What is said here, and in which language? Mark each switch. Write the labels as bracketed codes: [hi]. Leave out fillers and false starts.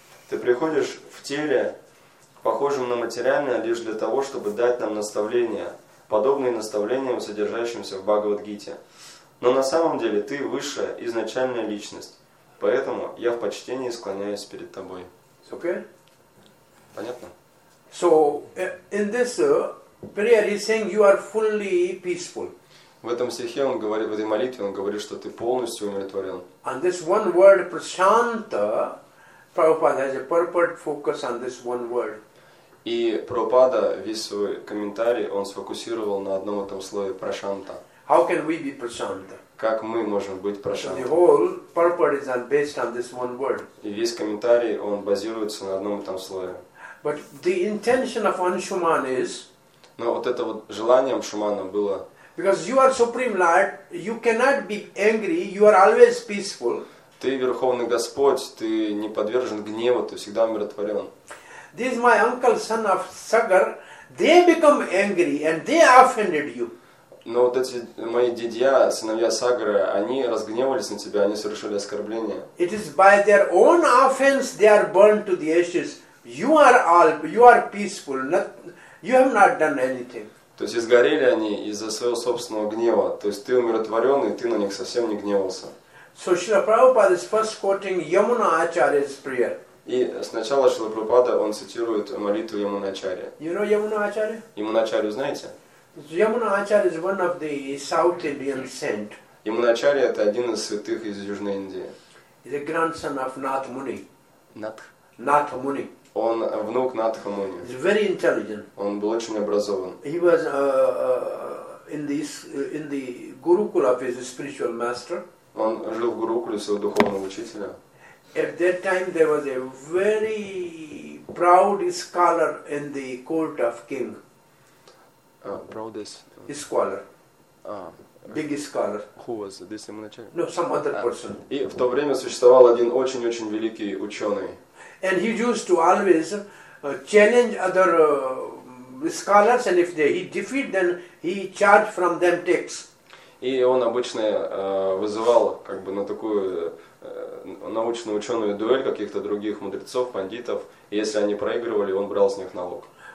[ru] Ты приходишь в теле, похожем на материальное, лишь для того, чтобы дать нам наставления, подобные наставлениям, содержащимся в Бхагавад-гите. Но на самом деле ты высшая изначальная личность, поэтому я в почтении склоняюсь перед тобой. [en] Okay? [ru] Понятно? [en] So, in this prayer he's saying you are fully peaceful. [ru] В этом стихе он говорит, в этой молитве он говорит, что ты полностью умиротворен. [en] And this one word, prashanta, Prabhupada has a purpose focus on this one word. [ru] И Прабхупада весь свой комментарий он сфокусировал на одном этом слове прашанта. [en] How can we be prashanta? [ru] Как мы можем быть прашанта? [en] The whole purpose is based on this one word. [ru] И весь комментарий он базируется на одном этом слове. [en] But the intention of Anshuman is. [ru] Но вот это вот желание Анушмана было. [en] Because you are Supreme Lord, you cannot be angry. You are always peaceful. [ru] Ты Верховный Господь, ты не подвержен гневу, ты всегда умиротворен. [en] These my uncle, son of Sagar, they become angry and they offended you. [ru] Но вот эти мои дедья, сыновья Сагара, они разгневались на тебя, они совершили оскорбление. [en] It is by their own offense they are burned to the ashes. You are peaceful, you have not done anything. [ru] То есть изгорели они из-за своего собственного гнева. То есть ты умиротворен и ты на них совсем не гневался. [en] So Srila Prabhupada is first quoting Yamuna Acharya's prayer. [ru] И сначала Шрила Прабхупада он цитирует молитву Ямуна Ачарьи. [en] You know Yamuna Acharya? [ru] Ямуна Ачарью знаете? [en] Yamuna Acharya is one of the South Indian saint. [ru] Ямуна Ачарья это один из святых из Южной Индии. [en] He's a grandson of Natha Muni. Natha Muni. [ru] Он внук Натха Муни. [en] He's very intelligent. [ru] Он был очень образован. [en] He was in the Gurukula of his spiritual master. [ru] Он жил в Гурукуле своего духовного учителя. [en] At that time there was a very proud scholar in the court of king. Proudest. His scholar. Big scholar. Who was this Yamunacharya? No, some other person. [ru] И в то время существовал один очень-очень великий ученый. [en] And he used to always challenge other scholars, and if he defeat, then he charged from them tax. [ru] И он обычно вызывал как бы на такую научно-ученую дуэль каких-то других мудрецов, пандитов. И если они проигрывали, он брал с них налог.